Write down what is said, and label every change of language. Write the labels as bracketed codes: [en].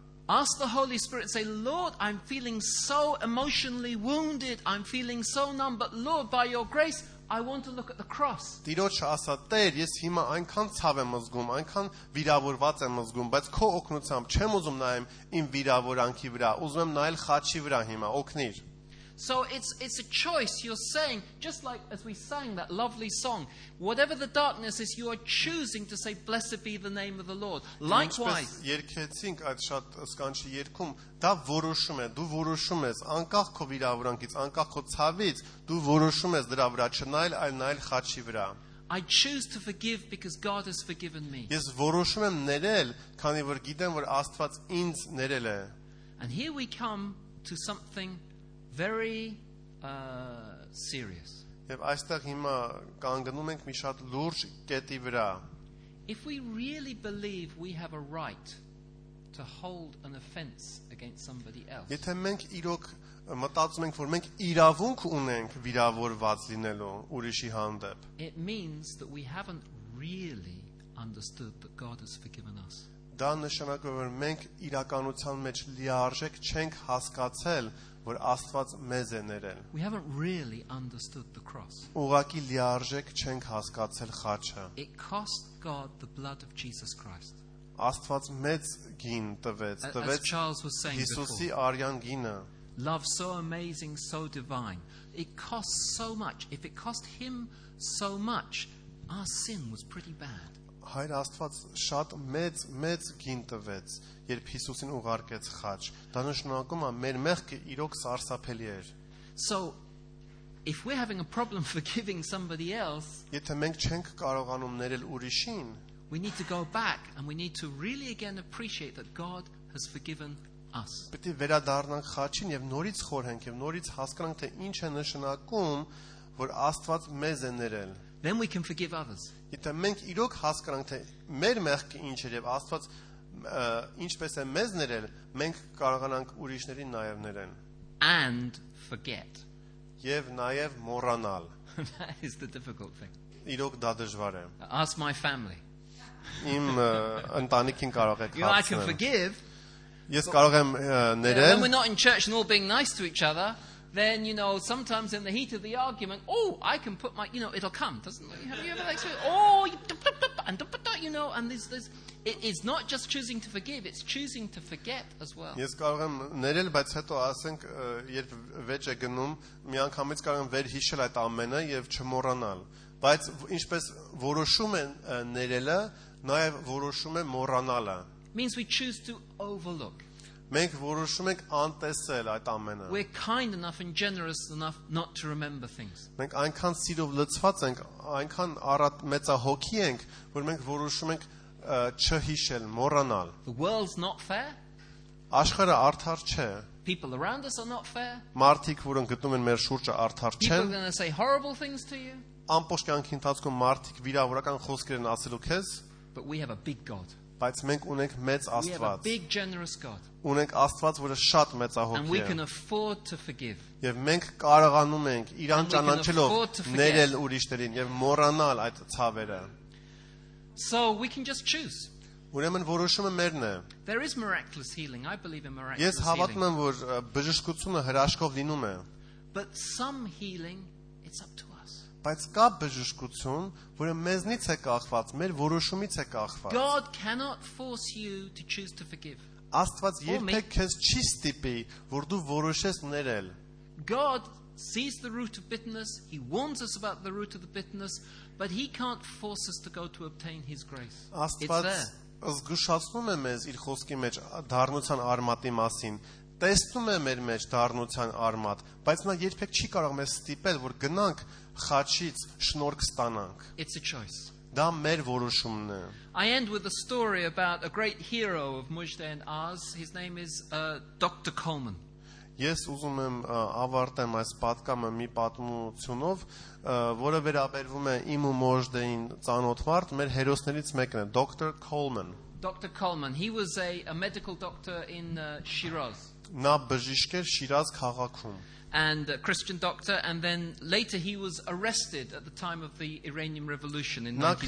[en] Ask the Holy Spirit, say, Lord, I'm feeling so emotionally wounded, I'm feeling so numb, but Lord, by your grace, I want to look at the cross. [hy] Տիրոջ ասա, Տեր, ես հիմա այնքան ցավ եմ ազգում, այնքան վիրավորված եմ ազգում, բայց քո օգնությամբ չեմ ուզում նայեմ իմ վիրավորանքի վրա, ուզում եմ նայել խաչի վրա հիմա, օգնիր. [en] So it's a choice. You're saying, just like as we sang that lovely song, whatever the darkness is, you are choosing to say, blessed be the name of the Lord. Likewise. [hy] Ինչպես երկեցինք այդ շատ սկանչի երգում, դա որոշում է, դու որոշում ես, անկախ քո վիրավորանքից, անկախ քո ցավից, դու որոշում ես դրա վրա չնայել, այլ նայել խաչի վրա. [en] I choose to forgive because God has forgiven me. [hy] Ես որոշում եմ ներել, քանի որ գիտեմ, որ Աստված ինձ ներել է. [en] And here we come to something very serious. [hy] Եվ այստեղ հիմա կանգնում ենք մի շատ լուրջ կետի վրա. [en] If we really believe we have a right to hold an offense against somebody else. [hy] Եթե մենք իրոք մտածում ենք, որ մենք իրավունք ունենք վիրավորված լինելու ուրիշի հանդեպ. [en] It means that we haven't really understood that God has forgiven us. [hy] դա նշանակում է, որ մենք իրականության մեջ լիարժեք չենք հասկացել, որ Աստված մեզ է ներել։ [en] We haven't really understood the cross. [hy] Ուղղակի լիարժեք չենք հասկացել խաչը։ [en] It cost God the blood of Jesus Christ. [hy] Աստված մեծ գին տվեց, տվեց [en] As Charles was saying [hy] Հիսուսի արյան գինը։ [en] Love so amazing, so divine. It costs so much. If it cost him so much, our sin was pretty bad. [hy] Հայր Աստված շատ մեծ մեծ գին տվեց, երբ Հիսուսին ուղարկեց խաչ։ Դա նշանակում է, մեր մեղքը իրոք սարսափելի էր։ [en] So, if we're having a problem forgiving somebody else, [hy] եթե մենք չենք կարողանում ներել ուրիշին, [en] we need to go back and we need to really again appreciate that God has forgiven us. [hy] Պետք է վերադառնանք խաչին եւ նորից խորհենք եւ նորից հասկանանք, թե ինչ է նշանակում, որ Աստված մեզ է ներել։ [en] Then we can forgive others. [hy] Եթե մենք իրոք հասկանանք, թե մեր մեղքը ինչ էր եւ Աստված ինչպես է մեզ ներել, մենք կարողանանք ուրիշներին նաեւ ներել։ [en] And forget. [hy] Եվ նաեւ մոռանալ։ [en] That is the difficult thing. [hy] Իրոք դա դժվար է։ [en] Ask my family. [hy] Իմ ընտանիքին կարող եք հարցնել։ [en] You know, I can forgive. [hy] Ես կարող եմ ներել։ [en] When we're not in church and all being nice to each other, then you know sometimes in the heat of the argument, oh, I can put my, you know, it'll come, doesn't it? Have you ever experienced? Oh, and you know, and there's, it is not just choosing to forgive, it's choosing to forget as well. [hy] Ես կարող եմ ներել, բայց հետո ասենք, երբ վեճ է գնում, միանգամից կարող եմ վերհիշել այդ ամենը եւ չմոռանալ։ Բայց ինչպես որոշում են ներելը, նաեւ որոշում են մոռանալը։ [en] Means we choose to overlook. [hy] Մենք որոշում ենք անտեսել այդ ամենը։ [en] We're kind enough and generous enough not to remember things. [hy] Մենք այնքան սիրով լցված ենք, այնքան առատ մեծահոգի ենք, որ մենք որոշում ենք չհիշել, մոռանալ։ [en] The world's not fair. [hy] Աշխարհը արդար չէ։ [en] People around us are not fair. [hy] Մարդիկ, որոնք գտնում են մեր շուրջը, արդար չեն։ [en] People are going to say horrible things to you. [hy] Ամբողջ կյանքի ընթացքում մարդիկ վիրավորական խոսքեր են ասելու քեզ։ [en] But we have a big God. [hy] Բայց մենք ունենք մեծ Աստված։ [en] We have a big generous God. [hy] Ունենք Աստված, որը շատ մեծահոգ է։ [en] And we can afford to forgive. [hy] Եվ մենք կարողանում ենք իրան ճանաչելով ներել ուրիշներին եւ մոռանալ այդ ցավերը։ [en] So we can just choose. [hy] Ուրեմն որոշումը մերն է։ [en] There is miraculous healing. I believe in miraculous healing. [hy] Ես հավատում եմ, որ բժշկությունը հրաշքով լինում է։ [en] But some healing, it's up to us. [hy] Բայց կա բժշկություն, որը մեզնից է կախված, մեր որոշումից է կախված։ [en] God cannot force you to choose to forgive. [hy] Աստված երբեք քեզ չի ստիպի, որ դու որոշես ներել։ [en] God sees the root of bitterness, he warns us about the root of the bitterness, but he can't force us to go to obtain his grace. [hy] Աստված զգուշացնում է մեզ իր խոսքի մեջ դառնության արմատի մասին։ Տեսնում է մեր մեջ դառնության արմատ, բայց նա երբեք չի կարող մեզ ստիպել, որ գնանք խաչից շնորհք ստանանք։ [en] It's a choice. [hy] Դա մեր որոշումն է։ [en] I end with a story about a great hero of Mujde and Oz. His name is Dr. Coleman. [hy] Ես ուզում եմ ավարտեմ այս պատկամը մի պատմությունով, որը վերաբերվում է իմ ու Մոժդեին ծանոթ մարդ, մեր հերոսներից մեկն է, Dr. Coleman. [en] Dr. Coleman, he was a medical doctor in Shiraz. [hy] Նա բժիշկ էր Շիրազ քաղաքում։ [en] And a Christian doctor, and then later he was arrested at the time of the Iranian Revolution in